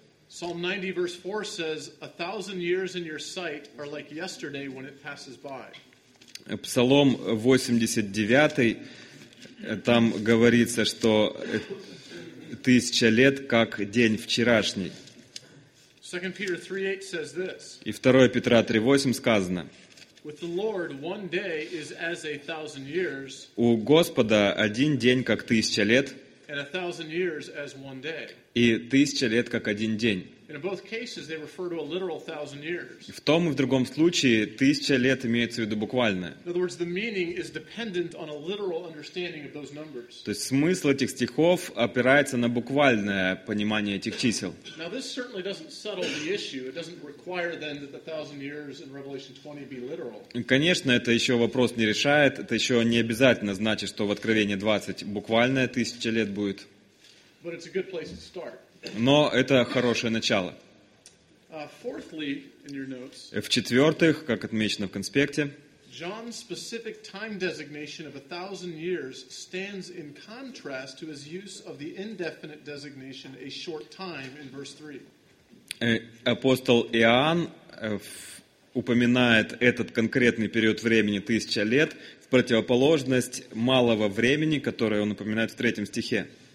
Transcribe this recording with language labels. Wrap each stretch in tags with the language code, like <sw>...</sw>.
<en>Psalm 90, verse 4 says, a thousand years in your sight are like yesterday when it passes by.</en> <ru>Псалом 89, там говорится, что тысяча лет, как день вчерашний.</ru> <en>2 Peter 3:8 says this.</en> <ru>И 2 Петра 3:8 сказано.</ru> <en>With the Lord, one day is as a thousand years.</en> <ru>У Господа один день, как тысяча лет.</ru> <en>And a thousand years as one day.</en> <ru>И тысяча лет, как один день.</ru> <en>In both cases, they refer to a literal thousand years.</en> <ru>В том и в другом случае тысяча лет имеется в виду буквально.</ru> <en>In other words, the meaning is dependent on a literal understanding of those numbers.</en> <ru>То есть смысл этих стихов опирается на буквальное понимание этих чисел.</ru> <en>Now this certainly doesn't settle the issue. It doesn't require then that the thousand years in Revelation 20 be literal.</en> <ru>Конечно, это еще вопрос не решает. Это еще не обязательно значит, что в Откровении 20 буквальное тысяча лет будет.</ru> <en>But it's a good place to start.</en> <ru>Но это хорошее начало.</ru> <en>Fourthly, in your notes,</en> <ru>в-четвертых, как отмечено в конспекте,</ru> <en>John's specific time designation of a thousand years stands in contrast to his use of the indefinite designation a short time in verse 3.</en> <ru>Апостол Иоанн упоминает этот конкретный период времени тысяча лет в противоположность малого времени, которое он упоминает в третьем стихе.</ru>